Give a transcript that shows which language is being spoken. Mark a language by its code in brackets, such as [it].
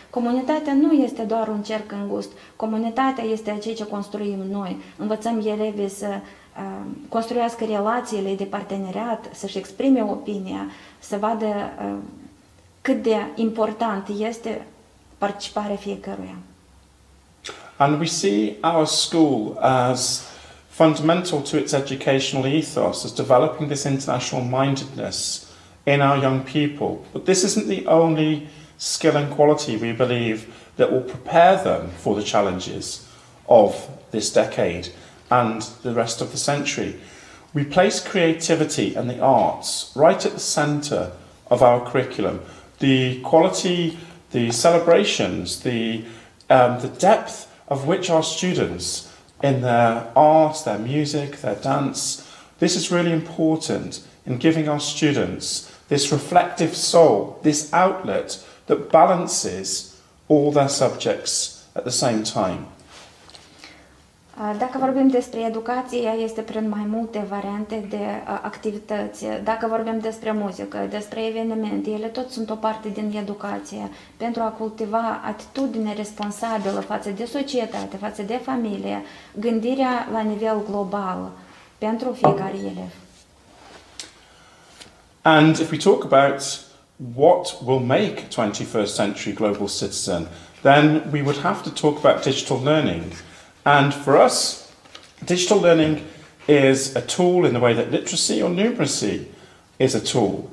[ro] Comunitatea nu este doar un cerc îngust. Comunitatea este ceea ce construim noi. Învățăm elevii să construiască relațiile de parteneriat, să-și exprime opinia, să vadă cât de important este participarea fiecăruia. [en] And we see our school as fundamental to its educational ethos is developing this international mindedness in our young people. But this isn't the only skill and quality we believe that will prepare them for the challenges of this decade and the rest of the century. We place creativity and the arts right at the centre of our curriculum. The quality, the celebrations, the depth of which our students in their art, their music, their dance. This is really important in giving our students this reflective soul, this outlet that balances all their subjects at the same time. [ro] Dacă vorbim despre educație, ea este prin mai multe variante de activități. Dacă vorbim despre muzică, despre evenimente, ele tot sunt o parte din educație. Pentru a cultiva atitudine responsabilă față de societate, față de familie, gândirea la nivel global pentru fiecare elev. [en] And if we talk about what will make 21st century global citizen, then we would have to talk about digital learning. And for us, digital learning is a tool in the way that literacy or numeracy is a tool.